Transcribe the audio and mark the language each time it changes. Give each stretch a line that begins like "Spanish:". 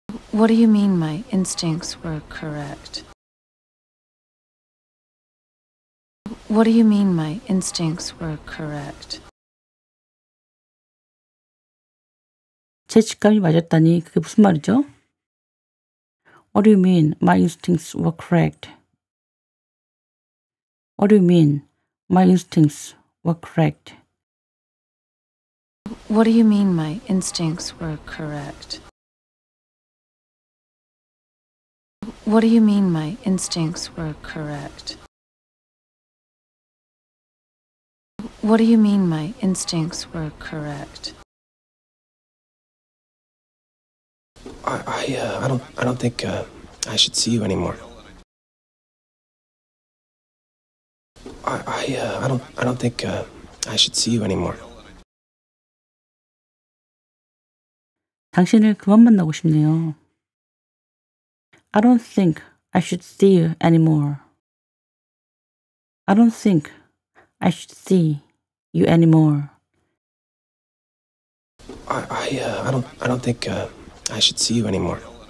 English: What do you mean my instincts were correct? What do you mean my instincts were correct?
Korean: 제 직감이 맞았다니 그게 무슨 말이죠?
English: What do you mean my instincts were correct? What do you mean? My instincts were correct. What do you mean my instincts were correct? What do you mean my instincts were correct? What do you mean my instincts were correct? I don't think I should see you anymore. I don't think I should see you anymore.
Korean: 당신을 그만 만나고 싶네요.
English: I don't think I should see you anymore. I don't think I should see you anymore. I don't think I should see you anymore.